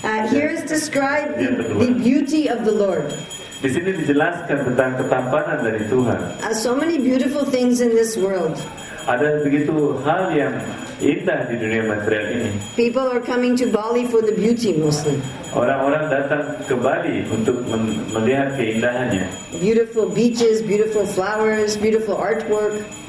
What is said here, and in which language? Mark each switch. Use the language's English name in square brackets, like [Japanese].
[English] Here is described the beauty of the Lord. [Indonesian] Di sini dijelaskan tentang ketampanan dari Tuhan. [English] So many beautiful things in this world. [Indonesian] Ada begitu hal yang indah di dunia material ini. [English] People are coming to Bali for the beauty mostly. [Indonesian] Orang-orang datang ke Bali untuk melihat keindahannya. [English] Beautiful beaches, beautiful flowers, beautiful artwork.